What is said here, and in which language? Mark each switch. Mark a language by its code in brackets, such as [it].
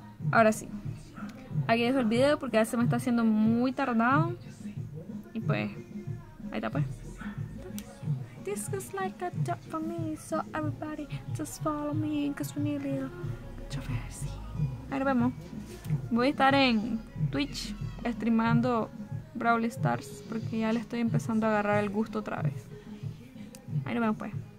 [es] Ahora sí. Aquí dejo el video porque ya se me está haciendo muy tardado. Y pues, ahí está pues. [en] This is like a job for me, so everybody just follow me, cause we need a little controversy. [es] Ahí nos vemos. Voy a estar en Twitch streamando Brawl Stars porque ya le estoy empezando a agarrar el gusto otra vez. Ahí nos vemos pues.